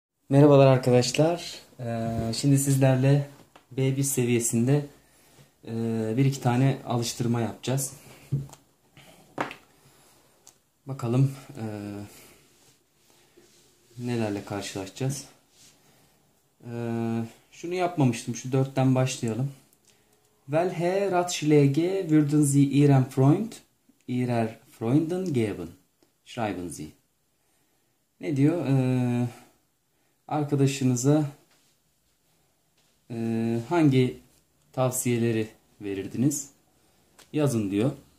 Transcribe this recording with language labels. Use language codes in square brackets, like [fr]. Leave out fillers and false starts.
[tr] Merhabalar arkadaşlar. Şimdi sizlerle B1 seviyesinde bir iki tane alıştırma yapacağız. Bakalım nelerle karşılaşacağız. Şunu yapmamıştım. Şu dörtten başlayalım. [de] Wel he ratschläge würden Sie Ihrem Freund, Ihrer Freundin geben? Schreiben Sie. [tr] Ne diyor? Arkadaşınıza hangi tavsiyeleri verirdiniz? Yazın diyor.